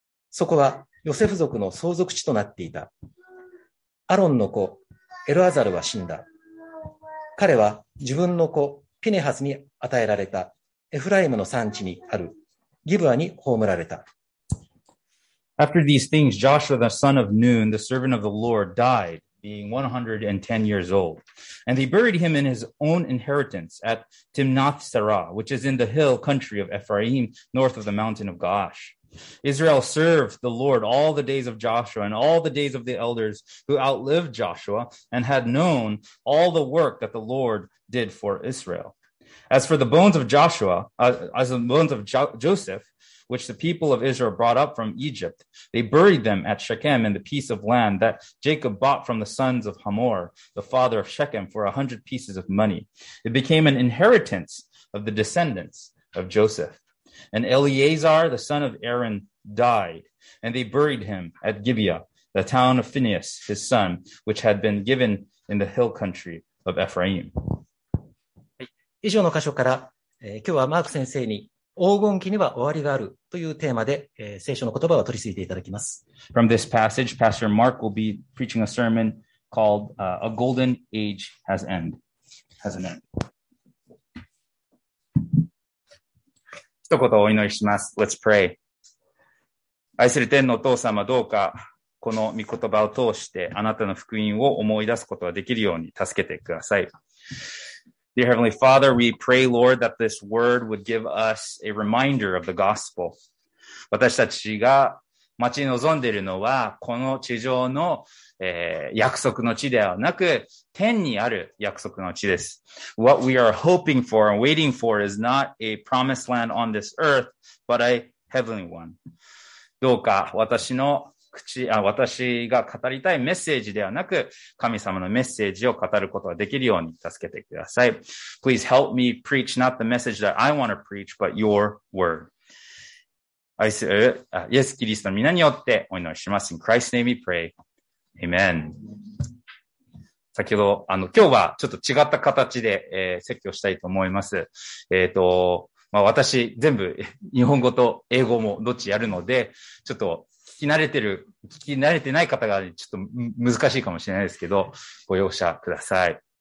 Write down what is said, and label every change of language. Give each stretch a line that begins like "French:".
Japanese: そこはヨセフ族の相続地となっていた。アロンの子エルアザルは死んだ。彼は自分の子ピネハスに与えられたエフライムの産地にあるギブアに葬られた。
English: After these things, Joshua the son of Nun, the servant of the Lord, died, being 110 years old. And they buried him in his own inheritance at Timnath-Serah, which is in the hill country of Ephraim, north of the mountain of Gaash. Israel served the Lord all the days of Joshua and all the days of the elders who outlived Joshua and had known all the work that the Lord did for Israel. As for the bones of Joshua, as the bones of Joseph, which the people of Israel brought up from Egypt, they buried them at Shechem in the piece of land that Jacob bought from the sons of Hamor, the father of Shechem, for 100 pieces of money. It became an inheritance of the descendants of Joseph. And Eleazar, the son of Aaron, died, and they buried him at Gibeah, the town of Phinehas, his son, which had been given in the hill country of Ephraim.
Japanese: 以上の箇所から、今日はマーク先生に黄金期には終わりがあるというテーマで、聖書の言葉を取り継いでいただきます。
English: From this passage, Pastor Mark will be preaching a sermon called, A Golden Age Has End. Has an End.
Japanese: 一言お祈りします。
English: Let's pray.
Japanese: 愛する天のお父様、どうかこの御言葉を通してあなたの福音を思い出すことができるように助けてください。
English: Dear Heavenly Father, we pray, Lord, that this word would give us a reminder of the gospel.
Japanese: 私たちが待ち望んでいるのは、この地上の、約束の地ではなく、天にある約束の地です。
English: What we are hoping for and waiting for is not a promised land on this earth, but a heavenly one.
Japanese: どうか私の私が語りたいメッセージではなく、神様のメッセージを語ることができるように助けてください。
English: Please help me preach not the message that I want to preach, but your word.
Japanese: 愛する、イエス・キリストの皆によってお祈りします。
English: In Christ's name we pray. Amen.
Japanese: 先ほど、今日はちょっと違った形で、説教したいと思います。まあ、私、全部、日本語と英語もどっちやるので、ちょっと、聞き慣れてない方がちょっと難しいかもしれないですけど、ご容赦ください。